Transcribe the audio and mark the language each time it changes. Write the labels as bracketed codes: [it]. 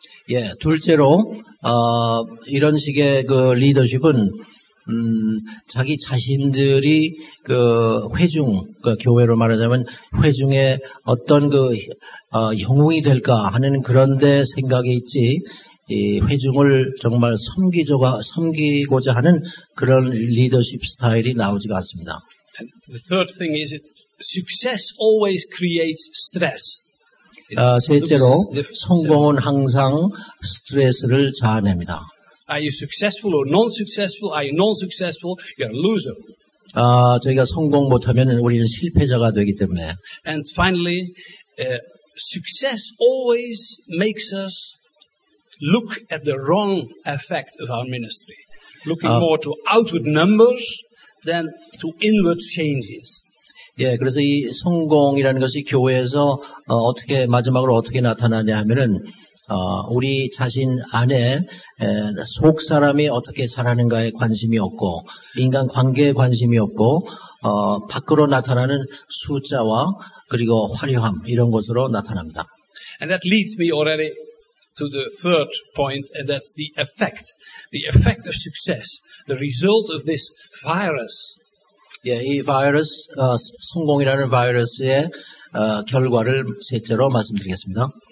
[ko] 예, 둘째로 이런 식의 그 리더십은 자기 자신들이 그 회중, 그 교회로 말하자면 회중의 어떤 그 영웅이 될까 하는 그런 데 생각이 있지, 이 회중을 정말 섬기고자 하는 그런 리더십 스타일이 나오지가 않습니다. [en] The third thing is that success always creates stress. [ko] 셋째로 성공은 항상 스트레스를 자아냅니다. [en] Are you successful or non-successful? Are you non-successful? You're a loser. [ko] 저희가 성공 못하면 우리는 실패자가 되기 때문에. [en] And finally, success always makes us look at the wrong effect of our ministry. Looking more to outward numbers than to inward changes. [ko] 예, 그래서 이 성공이라는 것이 교회에서 어떻게 마지막으로 어떻게 나타나냐 하면은 우리 자신 안에 속 사람이 어떻게 살아가는가에 관심이 없고 인간 관계에 관심이 없고 밖으로 나타나는 숫자와 그리고 화려함 이런 것으로 나타납니다. [en] And that leads me already to the third point, and that's the effect. The effect of success, the result of this virus. [ko] 예, 이 바이러스, 성공이라는 바이러스의 결과를 셋째로 말씀드리겠습니다.